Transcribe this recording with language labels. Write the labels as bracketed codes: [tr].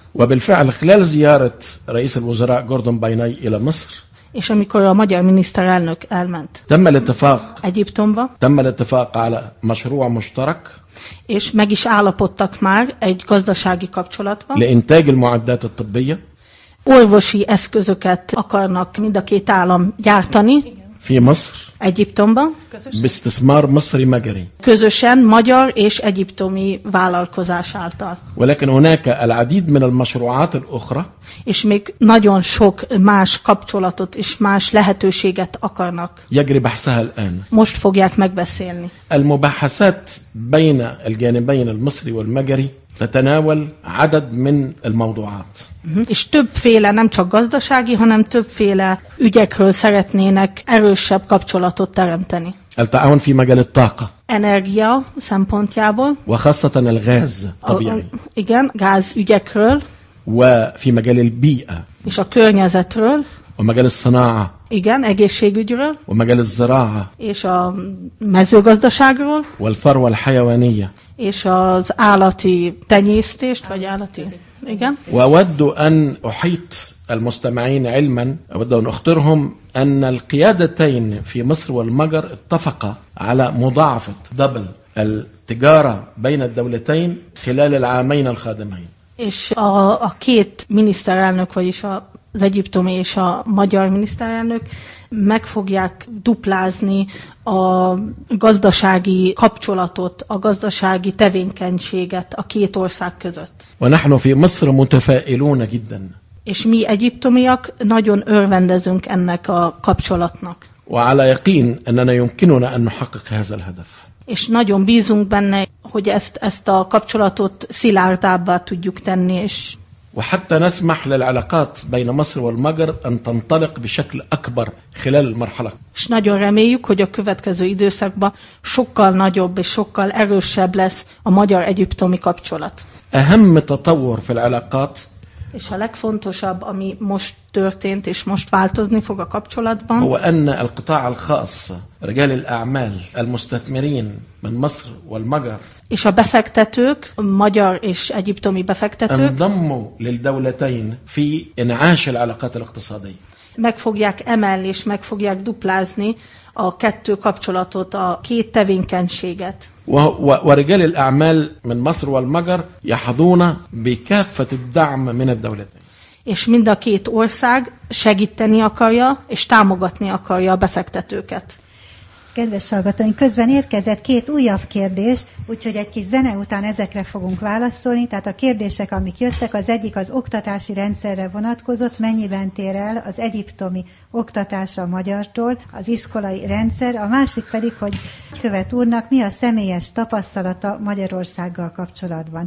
[ar] وبالفعل خلال زيارة رئيس الوزراء جوردون بايناي إلى مصر. [hu] És amikor a magyar miniszterelnök elment. [ar] تم الاتفاق. [hu] Egyiptomba. [ar] تم الاتفاق على مشروع مشترك. [hu] És meg is állapodtak már egy gazdasági kapcsolatban. [ar] لإنتاج المعدات الطبية. [hu] Orvosi eszközöket akarnak mind a két állam gyártani. [ar] في مصر. [hu] Egyiptomba. [ar] باستثمار مصري مجري. [hu] Közösen magyar és egyiptomi vállalkozás által. [ar] ولكن هناك العديد من المشروعات الأخرى. [hu] És még nagyon sok más kapcsolatot és más lehetőséget akarnak. [ar] يجري بحثها الآن. [hu] Most fogják megbeszélni. [ar] المباحثات بين الجانبين المصري والمجري تتناول عدد من الموضوعات. [hu] És többféle, nem csak gazdasági, hanem többféle ügyekről szeretnének erősebb kapcsolatot teremteni. [ar] التعاون في مجال الطاقة. [hu] Energia szempontjából. [ar] وخاصة الغاز طبيعي. [hu] Igen, gáz ügyekről. [ar] وفي مجال البيئة. [hu] És a környezetről. [ar] ومجال الصناعة. [hu] Igen, egészségügyről. [ar] ومجال الزراعة. [hu] És a mezőgazdaságról. [ar] والفروة الحيوانية. [hu] És az állati tenyésztést, vagy állati, igen. [ar] وأود أن أحيط المستمعين علما, أود أن أخبرهم أن القيادتين في مصر والمجر اتفقا على مضاعفة دبل التجارة بين الدولتين خلال العامين الخادمين. [hu] És a két miniszterelnök, vagyis az egyiptomi és a magyar miniszterelnök meg fogják duplázni a gazdasági kapcsolatot, a gazdasági tevékenységet a két ország között. [ar] ونحن في مصر متفائلون جدا. [hu] És mi egyiptomiak nagyon örvendezünk ennek a kapcsolatnak. [ar] وعلى يقين أننا يمكننا أن نحقق هذا الهدف. [hu] És nagyon bízunk benne, hogy ezt a kapcsolatot szilárdabbá tudjuk tenni és. [ar] وحتى نسمح للعلاقات بين مصر والمجر أن تنطلق بشكل أكبر خلال المرحلة. [hu] És nagyon reméljük, hogy a következő időszakban sokkal nagyobb és sokkal erősebb lesz a magyar-egyiptomi kapcsolat. [ar] أهم تطور في العلاقات. [hu] És a legfontosabb, ami most történt és most változni fog a kapcsolatban. [ar] هو أن القطاع الخاص رجال الأعمال المستثمرين من مصر والمجر. [hu] És a befektetők, a magyar és egyiptomi befektetők. [ar] انضموا للدولتين في إنعاش العلاقات الاقتصادية. [hu] Meg fogják emelni és meg fogják duplázni a kettő kapcsolatot, a két tevékenységet. [ar] ورجال الأعمال من مصر والمجر يحظون بكافة الدعم من الدولتين. [hu] És mind a két ország segíteni akarja és támogatni akarja a befektetőket. Kedves hallgatóink, közben érkezett két újabb kérdés, úgyhogy egy kis zene után ezekre fogunk válaszolni. Tehát a kérdések, amik jöttek, az egyik az oktatási rendszerre vonatkozott, mennyiben tér el az egyiptomi oktatása magyartól, az iskolai rendszer, a másik pedig, hogy Követ úrnak mi a személyes tapasztalata Magyarországgal kapcsolatban.